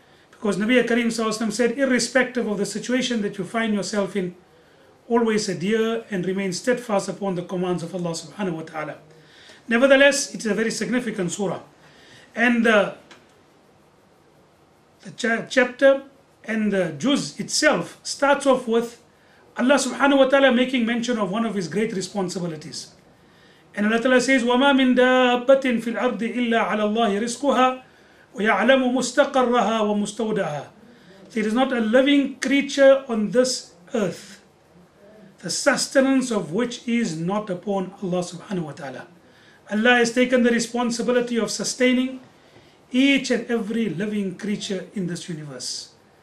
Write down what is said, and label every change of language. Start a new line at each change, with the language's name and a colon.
English: Because Nabi Kareem sallallahu alaihi wasallam said, irrespective of the situation that you find yourself in, always adhere and remain steadfast upon the commands of Allah subhanahu wa ta'ala. Nevertheless, it is a very significant surah. And the chapter and the juz itself starts off with Allah subhanahu wa ta'ala making mention of one of his great responsibilities. And Allah ta'ala says,
Arabic: وَمَا مِن دَابَّةٍ فِي الْأَرْضِ إِلَّا عَلَى اللَّهِ رِزْقُهَا وَيَعْلَمُ مُسْتَقَرَّهَا وَمُسْتَوْدَعَهَا.
English: There is not a living creature on this earth the sustenance of which is not upon Allah subhanahu wa ta'ala. Allah has taken the responsibility of sustaining each and every living creature in this universe.